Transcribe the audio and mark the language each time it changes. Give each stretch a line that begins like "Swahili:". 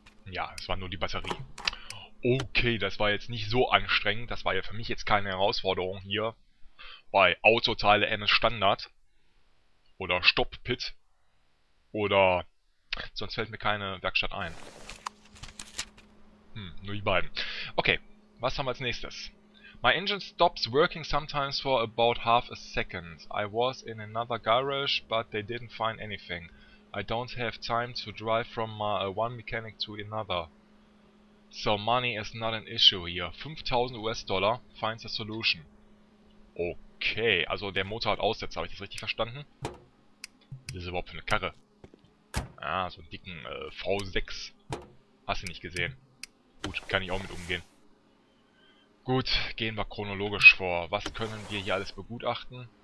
German: Ja, es war nur die Batterie. Okay, das war jetzt nicht so anstrengend, das war ja für mich jetzt keine Herausforderung hier. Bei Autoteile MS Standard. Oder Stopp-Pit. Oder... Sonst fällt mir keine Werkstatt ein. Nur die beiden. Okay, was haben wir als nächstes?
English: My engine stops working sometimes for about half a second. I was in another garage, but they didn't find anything. I don't have time to drive from one mechanic to another. So money is not an issue here. $5000 finds a solution.
German: Okay, also der Motor hat Aussetzer, habe ich das richtig verstanden? Was ist das überhaupt für eine Karre? Ah, so einen dicken V6. Hast du nicht gesehen. Gut, kann ich auch mit umgehen. Gut, gehen wir chronologisch vor. Was können wir hier alles begutachten?